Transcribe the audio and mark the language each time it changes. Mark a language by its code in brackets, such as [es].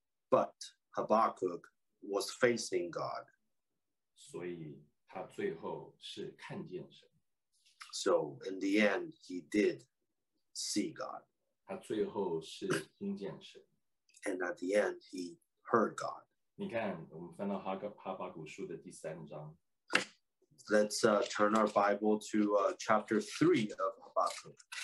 [en] But Habakkuk was facing God. So in the end, he did see God. And at the end, he heard God. [zh] 你看，我们翻到哈巴谷书的第三章。 [en] Let's turn our Bible to chapter 3 of Habakkuk.